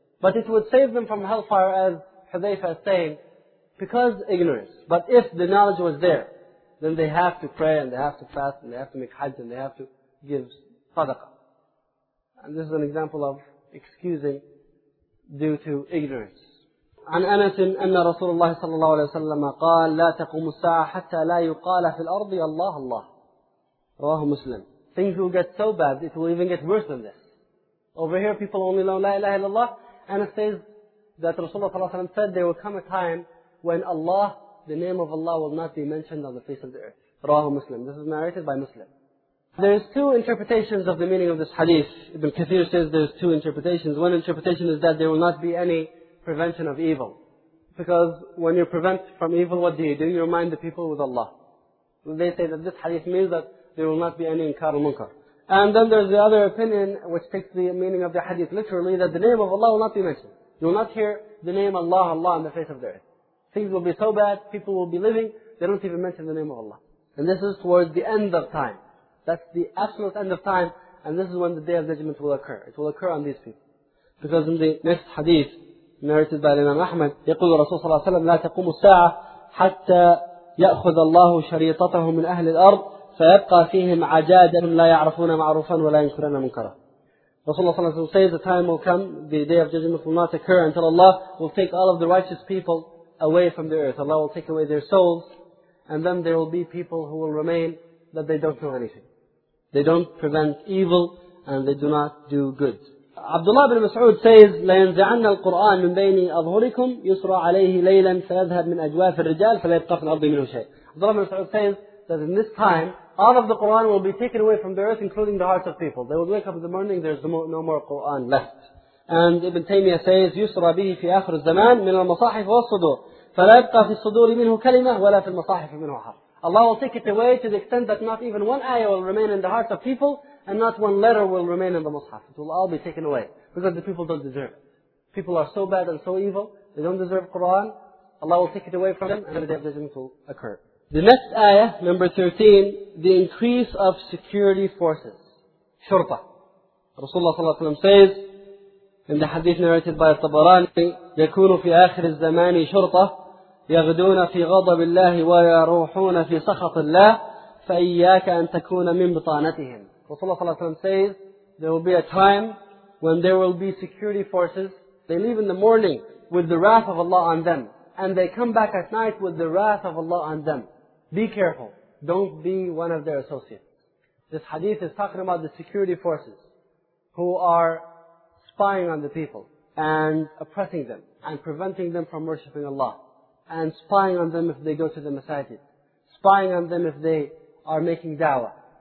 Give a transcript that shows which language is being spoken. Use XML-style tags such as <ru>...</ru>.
<en>But it would save them from hellfire, as Hudhayfa is saying, because ignorance. But if the knowledge was there, then they have to pray and they have to fast and they have to make hajj and they have to give sadaqah. And this is an example of excusing due to ignorance.</en> <ar>عن أنس أن رسول الله صلى الله عليه وسلم قال لا تقوم الساعة حتى لا يقال في الأرض الله الله رواه مسلم.</ar> <en>Things will get so bad, it will even get worse than this. Over here, people only know La ilaha illallah. Anas says that Rasulullah صلى الله عليه وسلم said there will come a time when Allah, the name of Allah, will not be mentioned on the face of the earth.</en> <ar>رواه مسلم.</ar> <en>This is narrated by Muslim. There is two interpretations of the meaning of this hadith. Ibn Kathir says there's two interpretations. One interpretation is that there will not be any prevention of evil. Because when you prevent from evil, what do? You remind the people with Allah. They say that this hadith means that there will not be any inkar al-munkar. And then there's the other opinion which takes the meaning of the hadith literally, that the name of Allah will not be mentioned. You will not hear the name Allah, Allah on the face of the earth. Things will be so bad, people will be living, they don't even mention the name of Allah. And this is towards the end of time. That's the absolute end of time, and this is when the Day of Judgment will occur. It will occur on these people.</en> <ar>Because in the next hadith, narrated by Imam Ahmad, يقول الرسول صلى الله عليه وسلم لا تقوم الساعة حتى يأخذ الله شريطته من أهل الأرض فيبقى فيهم عجاجا لا يعرفون معروفا ولا ينكرون منكرا.</ar> <en>Rasulullah صلى الله عليه وسلم says, the time will come, the Day of Judgment will not occur until Allah will take all of the righteous people away from the earth. Allah will take away their souls, and then there will be people who will remain that they don't know anything. They don't prevent evil, and they do not do good.</en> <ar>Abdullah ibn Mas'ud says, لَيَنْزِعَنَّ الْقُرْآنَ مِنْ بَيْنِ أَظْهُرِكُمْ يُسْرَى عَلَيْهِ لَيْلًا فَيَذْهَبْ مِنْ أَجْوَافِ الرِّجَالِ فَلَيَبْقَى فِي الْأَرْضِ مِنْهُ شَيْءٍ.</ar> <en>Abdullah ibn Mas'ud says that in this time, all of the Qur'an will be taken away from the earth, including the hearts of people. They will wake up in the morning, there's no more Qur'an left.</en> <ar>And Ibn Taymiyyah says, يُسْرَى بِهِ فِي آخِرِ الزَّمَانِ مِنَ الْمَصَاحِفِ وَالصُّدُورِ فَلَيَبْقَى فِي الصُّدُورِ مِنْهُ كَلِمَةٌ وَلَا فِي الْمَصَاحِفِ مِنْهُ حَرْفٌ.</ar> <en>Allah will take it away to the extent that not even one ayah will remain in the hearts of people, and not one letter will remain in the mushaf. It will all be taken away, because the people don't deserve it. People are so bad and so evil, they don't deserve Qur'an. Allah will take it away from them, and the Day of Judgment will occur. The next ayah, number 13, the increase of security forces. Shurta. Rasulullah ﷺ says,</en> <ar>in the hadith narrated by Tabarani, يكون في آخر الزمان شرطة يغدون في غضب الله ويروحون في سخط الله فإياك أن تكون من بطانتهم.</ar> <en>Rasulullah صلى الله عليه وسلم says, there will be a time when there will be security forces. They leave in the morning with the wrath of Allah on them. And they come back at night with the wrath of Allah on them. Be careful. Don't be one of their associates. This hadith is talking about the security forces who are spying on the people and oppressing them and preventing them from worshipping Allah and spying on them if they go to the masajid, spying on them if they are making da'wah.</en>